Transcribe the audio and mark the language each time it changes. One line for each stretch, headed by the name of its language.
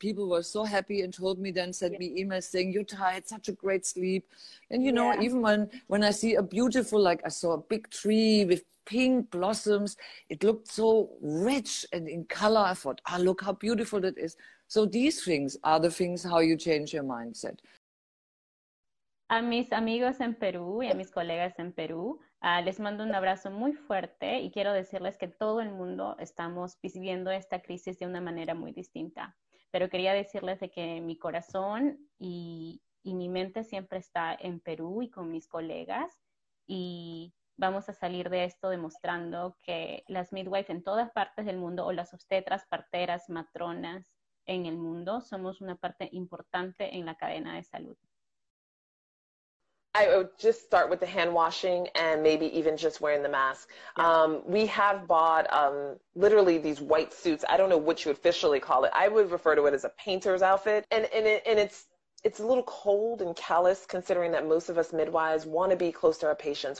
English: People were so happy and told me, then sent me emails saying, you're tired, such a great sleep. And, you know, even when I see a beautiful, like I saw a big tree with pink blossoms, it looked so rich and in color. I thought, ah, oh, look how beautiful that is. So these things are the things how you change your mindset.
Spanish: A mis amigos en Perú y a mis colegas en Perú, les mando un abrazo muy fuerte y quiero decirles que todo el mundo estamos viviendo esta crisis de una manera muy distinta. Pero quería decirles de que mi corazón y mi mente siempre está en Perú y con mis colegas y vamos a salir de esto demostrando que las midwives en todas partes del mundo o las obstetras, parteras, matronas en el mundo somos una parte importante en la cadena de salud.
English: I would just start with the hand washing and maybe even just wearing the mask. Yeah. We have bought literally these white suits. I don't know what you officially call it. I would refer to it as a painter's outfit. And it's a little cold and callous considering that most of us midwives want to be close to our patients.